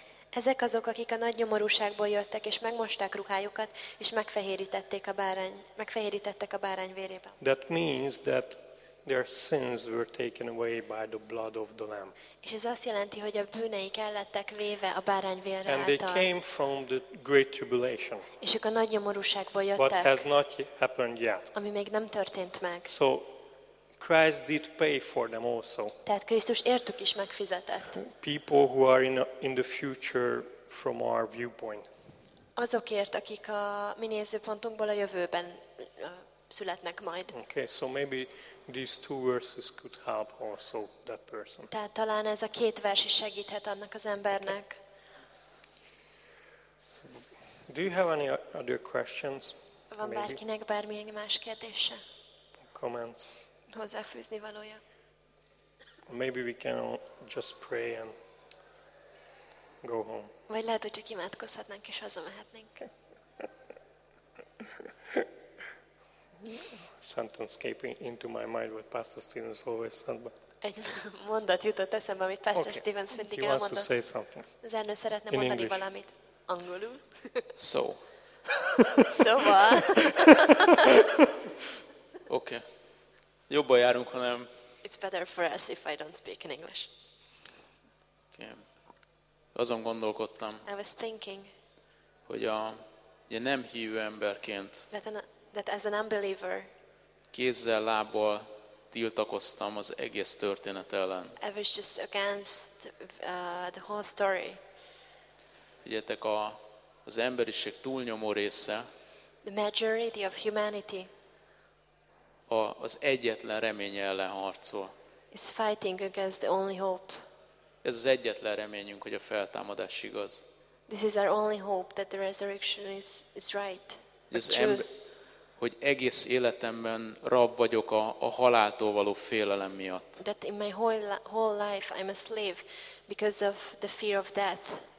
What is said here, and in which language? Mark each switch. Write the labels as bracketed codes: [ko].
[hu] Ezek azok, akik a nagy nyomorúságból jöttek és megmosták ruhájukat és megfehérítettek a bárány vérében. [en] That means that their sins were taken away by the blood of the lamb. [hu] És ez azt jelenti, hogy a bűneik el lettek véve a bárányvér által. [en] And they came from the great tribulation. [hu] És ők a nagy nyomorúságból jöttek. [en] But has not happened yet. [hu] Ami még nem történt meg. [en] So Christ did pay for them also. [hu] Tehát Krisztus értük is megfizetett. [en] People who are in the future from our viewpoint. [hu] Azokért, akik a mi nézőpontunkból a jövőben születnek majd. [en] Okay, so maybe these two verses could help also that person. [hu] Tehát talán ez a két vers is segíthet annak az embernek. [en] Do you have any other questions? [hu] Van bárkinek bármilyen más kérdése? [en] Comments. [hu] Hozzáfűzni valója. [en] Maybe we can just pray and go home. [hu] Vagy lehet, hogy csak imádkozhatnánk és hazamehetnénk. [en] Sentence escaping into my mind what Pastor Stevens always said. But [hu] egy mondat jutott eszembe, amit Pastor okay. Stevens mindig [en] he [hu] elmondott. [en] He wants to say something. [hu] Zárnő szeretne mondani [en] English. [hu] Valamit. Angolul. [en] So. [hu] Szóval. Okay. Jobban járunk, ha nem. [en] It's better for us if I don't speak in English. [hu] Okay. Azon gondolkodtam. [en] I was thinking. [hu] Hogy a nem hívő emberként. [en] That as an unbeliever, [hu] kézzel lábbal tiltakoztam az egész történet ellen. [en] I was just against the whole story. [hu] Figyeljetek, az emberiség túlnyomó része. [en] The majority of humanity. [hu] Az egyetlen remény ellen harcol. [en] Is fighting against the only hope. [hu] Ez az egyetlen reményünk, hogy a feltámadás igaz. [en] This is our only hope that the resurrection is right. [hu] Hogy egész életemben rab vagyok a haláltól való félelem miatt. [en] That in my whole life I'm a slave because of the fear of death.